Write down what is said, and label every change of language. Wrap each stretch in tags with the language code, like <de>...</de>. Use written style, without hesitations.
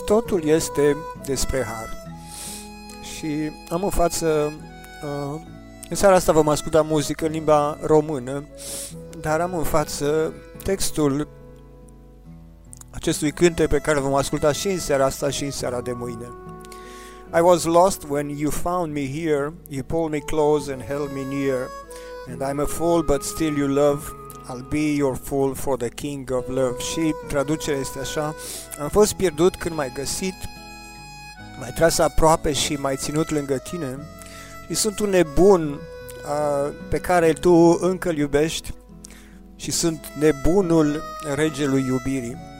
<ro>Totul este despre har. Și am în față, în seara asta vom asculta muzică în limba română, dar am în față textul acestui cânte pe care vom asculta și în seara asta și în seara de mâine.</ro> <en>I was lost when you found me here, you pulled me close and held me near, and I'm a fool but still you love, I'll be your fool for the king of love.</en> <ro>Și traducerea este așa: am fost pierdut când m-ai găsit, m-ai tras aproape și m-ai ținut lângă tine, și sunt un nebun pe care tu încă-l iubești și sunt nebunul regelui iubirii.</ro>